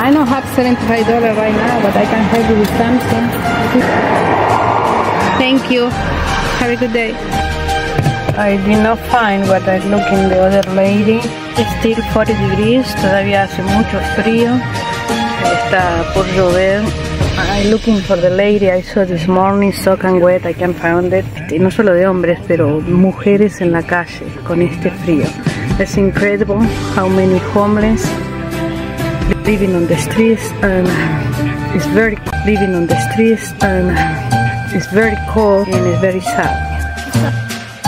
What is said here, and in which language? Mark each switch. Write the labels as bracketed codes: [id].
[en] I don't have $75 right now, but I can help you with something. Thank you. Have a good day. I did not find what I look in the other lady. It's still 40 degrees. [es] Todavía hace mucho frío. Está por llover. [en] I'm looking for the lady I saw this morning, soaked and wet, I can't find it. [es] Y no solo de hombres, pero mujeres en la calle con este frío. [en] It's incredible how many homeless living on the streets, and it's very living on the streets, and it's very cold and it's very sad.